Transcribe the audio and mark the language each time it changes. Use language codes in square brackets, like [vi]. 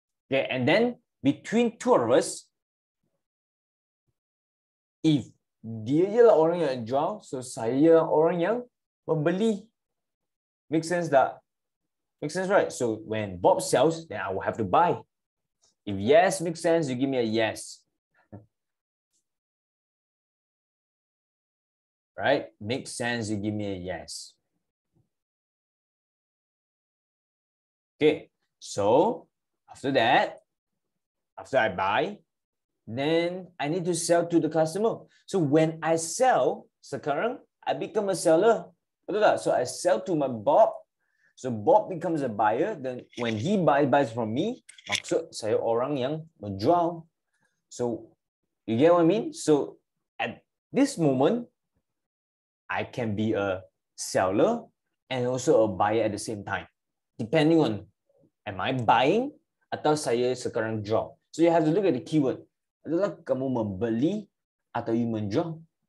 [en] Okay, and then between two of us, if [ms] dia ialah orang yang jual, so saya orang yang membeli. [en] Make sense tak? Make sense, right? So when Bob sells, then I will have to buy. If yes makes sense, you give me a yes. Right? Makes sense, you give me a yes. Okay, so after that, after I buy, then I need to sell to the customer. So when I sell, [ms] sekarang, [en] I become a seller. So I sell to my Bob. So Bob becomes a buyer. Then when he buys from me, [ms] maksud saya orang yang menjual. [en] So you get what I mean? So at this moment, I can be a seller and also a buyer at the same time. Depending on, am I buying [ms] atau saya sekarang jual? [en] So you have to look at the keyword. [ms] Adalah kamu membeli atau you menjual?